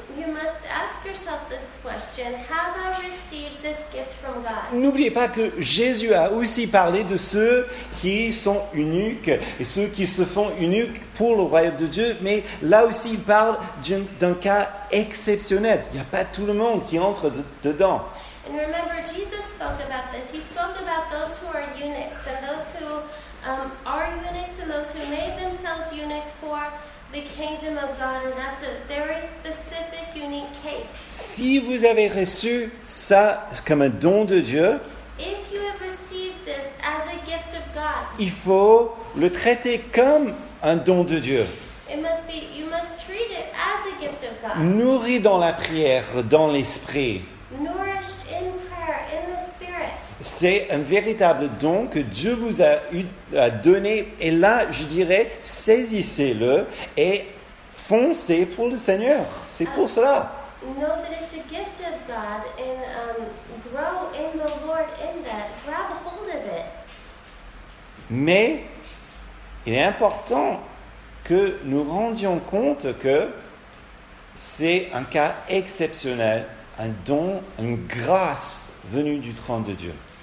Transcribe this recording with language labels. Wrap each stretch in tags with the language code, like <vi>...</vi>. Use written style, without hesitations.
<en>You must ask yourself this question, have I received this gift from God?</en> <fr>N'oubliez pas que Jésus a aussi parlé de ceux qui sont eunuques et ceux qui se font eunuques pour le royaume de Dieu, mais là aussi il parle d'un cas exceptionnel. Il n'y a pas tout le monde qui entre dedans.</fr> <en>And remember, Jesus spoke about this. He spoke about those who are eunuchs and those who are eunuchs and those who made themselves eunuchs for the kingdom of God, and that's a very specific, unique case.</en> <fr>Si vous avez reçu ça comme un don de Dieu,</fr> <en>if you have received this as a gift of God,</en> <fr>il faut le traiter comme un don de Dieu.</fr> <en>It must be, you must treat it as a gift of God.</en> <fr>Nourri dans la prière, dans l'esprit.</fr> <en>Nourished in prayer, in the spirit.</en> <fr>C'est un véritable don que Dieu vous a donné. Et là, je dirais, saisissez-le et foncez pour le Seigneur. C'est pour cela.</fr> <en>Know that it's a gift of God and grow in the Lord in that. Grab hold of it.</en> <fr>Mais il est important que nous rendions compte que c'est un cas exceptionnel, un don, une grâce venue du trône de Dieu.</fr>